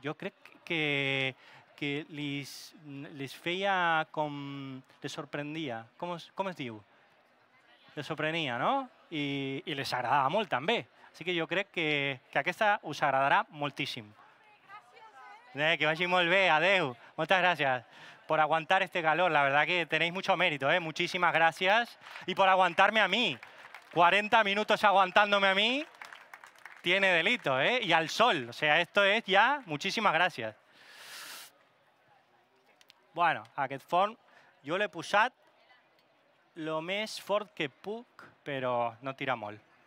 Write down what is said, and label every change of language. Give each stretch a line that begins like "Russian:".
Catalan: Jo crec que les feia com... les sorprendia. Com es diu? Les sorprenia, no? I les agradava molt, també. Així que jo crec que aquesta us agradarà moltíssim. Gràcies, que vagi molt bé, adeu. Moltes gràcies per aguantar este calor.
Spanish: La verdad que tenéis mucho mérito, ¿eh? Muchísimas gracias. Y por aguantarme a mí. 40 minutos aguantándome a mí tiene delito, ¿eh? Y al sol. O sea, esto es ya... muchísimas gracias.
Catalan: Bueno, aquest forn jo l'he posat lo més fort que puc, però no tira molt.